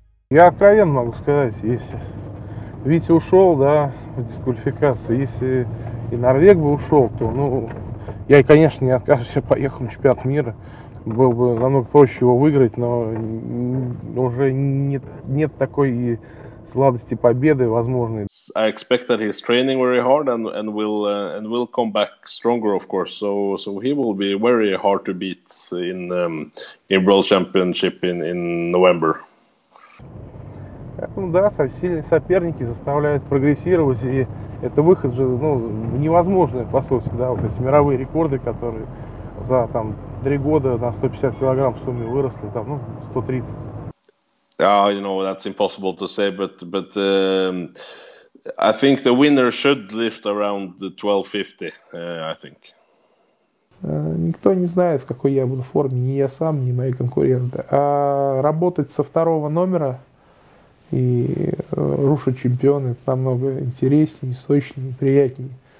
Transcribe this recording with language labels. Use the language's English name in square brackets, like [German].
[Russian] Я откровенно могу сказать, если Витя ушел, да, в дисквалификации, если и Норвег бы ушел, то, ну, я, конечно, не откажусь, я поехал на чемпионат мира. Было бы намного проще его выиграть, но уже нет такой и сладости победы возможной. [English] I expect that he's training very hard and will come back stronger, of course. So he will be very hard to beat in World Championship in November. [Russian] Ну да, сильные соперники заставляют прогрессировать, и это выход же, ну, невозможный, по сути, да, вот эти мировые рекорды, которые за там 3 года на 150 килограмм в сумме выросли, там, ну, 130. [English] Yeah, you know, that's impossible to say, but I think the winner should lift around the 1250, I think. [Russian] Никто не знает, в какой я буду форме, ни я сам, ни мои конкуренты. А работать со второго номера и рушить чемпионы — это намного интереснее, сочнее, приятнее.